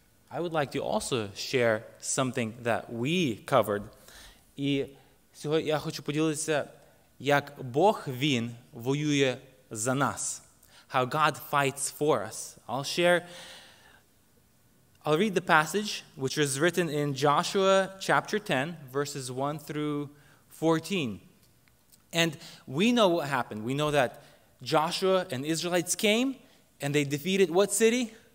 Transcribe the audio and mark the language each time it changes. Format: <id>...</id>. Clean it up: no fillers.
<en>I would like to also share something that we covered.</en> <uk>І сьогодні я хочу поділитися, як Бог, Він воює за нас.</uk> <en>How God fights for us. I'll read the passage, which is written in Joshua chapter 10, verses 1 through 14. And we know what happened. We know that Joshua and Israelites came and they defeated what city?</en>